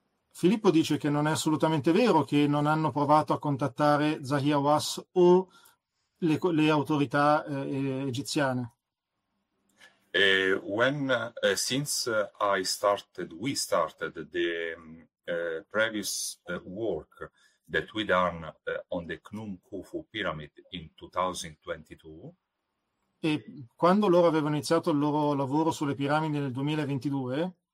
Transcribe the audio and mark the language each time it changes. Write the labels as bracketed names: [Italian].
[Italian] Filippo dice che non è assolutamente vero che non hanno provato a contattare Zahi Hawass o le autorità egiziane. [English] Since we started the previous work that we done on the Khnum Khufu pyramid in 2022. [Italian] E quando loro avevano iniziato il loro lavoro sulle piramidi nel 2022?